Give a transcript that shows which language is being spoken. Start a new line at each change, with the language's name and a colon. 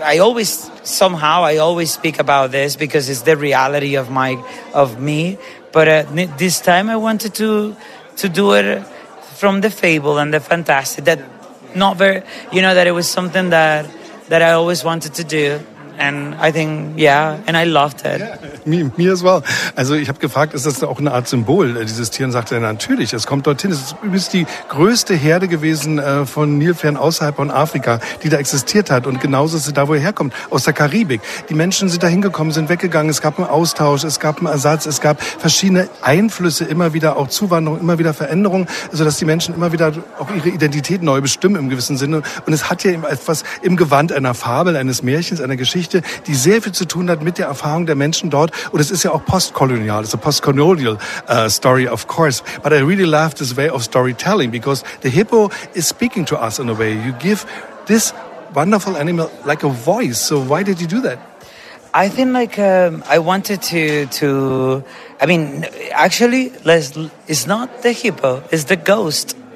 English: I always speak about this because it's the reality of me. But this time, I wanted to do it from the fable and the fantastic. That not very, you know, that it was something that I always wanted to do. And I think, yeah, and I loved it. Yeah, me as well.
German: Also ich habe gefragt, ist das auch eine Art Symbol, dieses Tier? Und sagte er, natürlich, es kommt dorthin. Es ist übrigens die größte Herde gewesen von Nilpferden außerhalb von Afrika, die da existiert hat. Und genauso ist es da, wo er herkommt, aus der Karibik. Die Menschen sind da hingekommen, sind weggegangen. Es gab einen Austausch, es gab einen Ersatz, es gab verschiedene Einflüsse, immer wieder auch Zuwanderung, immer wieder Veränderung, sodass die Menschen immer wieder auch ihre Identität neu bestimmen im gewissen Sinne. Und es hat ja eben etwas im Gewand einer Fabel, eines Märchens, einer Geschichte, die sehr viel zu tun hat mit der Erfahrung der Menschen dort. Und es ist ja auch postkolonial,
English: it's a postcolonial story, of course. But I really love this way of storytelling, because the hippo is speaking to us in a way. You give this wonderful animal like a voice. So why did you do that? I think like I wanted to. I mean, actually, it's not the hippo, it's the ghost.